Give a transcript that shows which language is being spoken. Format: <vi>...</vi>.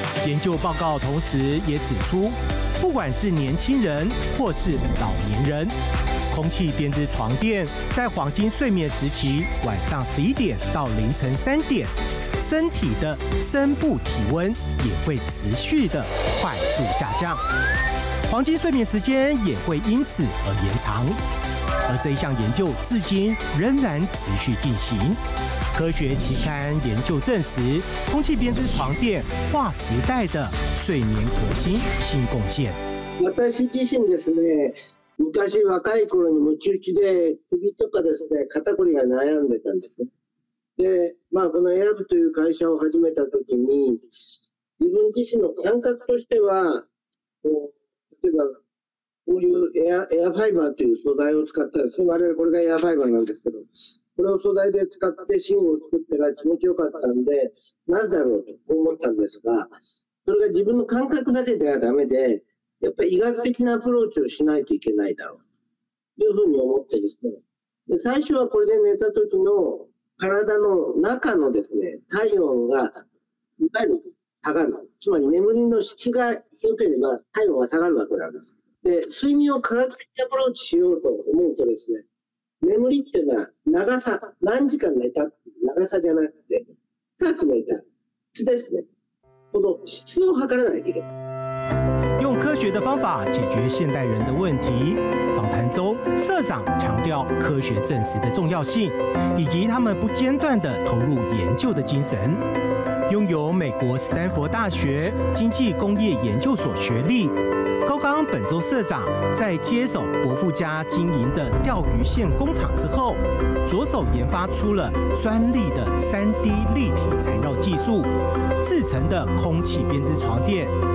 <zh>研究报告同时也指出，不管是年轻人或是老年人，空气编织床垫在黄金睡眠时期，晚上11点到凌晨3点，身体的深部体温也会持续的快速下降，黄金睡眠时间也会因此而延长。而这一项研究至今仍然持续进行，科学期刊研究证实，空气编织床垫划时代的睡眠核心新贡献。</zh> <ja>私自身ですね。昔若い頃にムチ打ちで首とかですね、肩こりが悩んでたんですね。で、まあこのエアブという会社を始めた時に、自分自身の感覚としては、こう例えばこういうエアファイバーという素材を使ったですね、我々これがエアファイバーなんですけど、これを素材で使って芯を作ったら気持ちよかったんで、なぜだろうと思ったんですが、それが自分の感覚だけではダメで、やっぱり医学的なアプローチをしないといけないだろうというふうに思ってですね。で最初はこれで寝た時の体の中のですね、体温がいわゆる下がる。つまり眠りの質が良ければ体温が下がるわけなんです。で、睡眠を科学的にアプローチしようと思うとですね、眠りっていうのは長さ、何時間寝たっていう長さじゃなくて、深く寝た質ですね。この質を測らないといけない。</ja> <zh>用科学的方法解决现代人的问题。访谈中，社长强调科学证实的重要性，以及他们不间断地投入研究的精神。拥有美国斯坦福大学经济工业研究所学历，高刚本州社长在接手伯父家经营的钓鱼线工厂之后，着手研发出了专利的 3D 立体缠绕技术制成的空气编织床垫。</zh>